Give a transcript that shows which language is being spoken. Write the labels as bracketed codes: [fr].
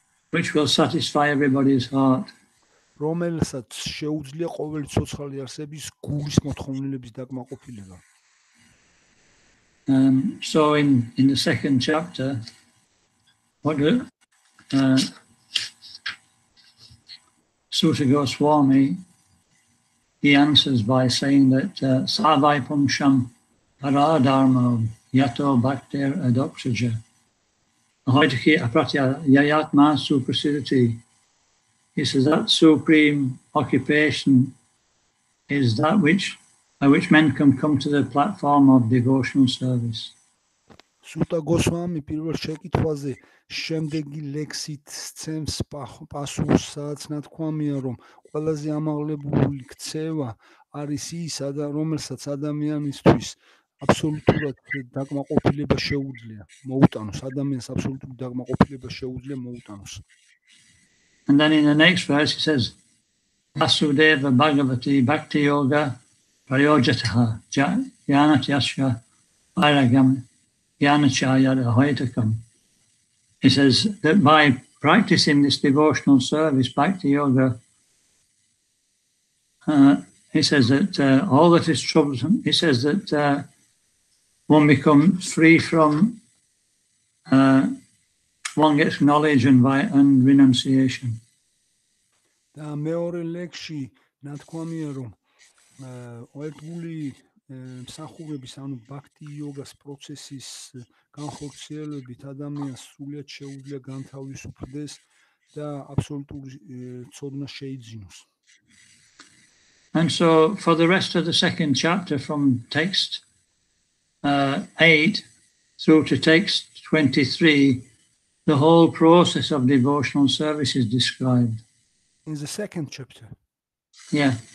[en] Which will satisfy everybody's heart. [ka] რომელსაც შეუძლია ყოველი ცოცხალი არსების გულის მოთხოვნილების დაკმაყოფილება. [en] So in the second chapter what do Sutta Goswami he answers by saying that [sa] sarvai pumsham para dharma yato bhakter adoksaja hoyki apratya yayatma supersidity. [en] He says that supreme occupation is that which by which men can come to the platform of devotional service. [ka] Sutta Goswami პირველ შეკითხვაზე შემდეგი ლექსით სცემს პასუხს, სადაც ნათქვამია, რომ ყველაზე ამაღლებული ქცევა არის ის, რომელსაც ადამიანისთვის აბსოლუტურად დაკმაყოფილება შეუძლია მოუტანოს. ადამიანს აბსოლუტური დაკმაყოფილება შეუძლია მოუტანოს. [en] And then in the next verse he says [sa] Vasudeva Bhagavati Bhakti Yoga Prayojataha Jnanatyasya Vairagyam Jnanachayara Hoitakam. [en] He says that by practicing this devotional service, Bhakti Yoga, he says that all that is troublesome, he says that one becomes free from, one gets knowledge and renunciation. [ka] მეორე ლექსში ნათქვამია, რომ ყოველგული მსახურების, ანუ ბაქტი იოგას პროცესის განხორციელებით ადამიანს სრულად შეუძლია განთავისუფლდეს და აბსოლუტური ცოდნა შეიძინოს. [en] And so for the rest of the second chapter from text 8 through to text 23 the whole process of devotional service is described. In the second chapter. Yeah.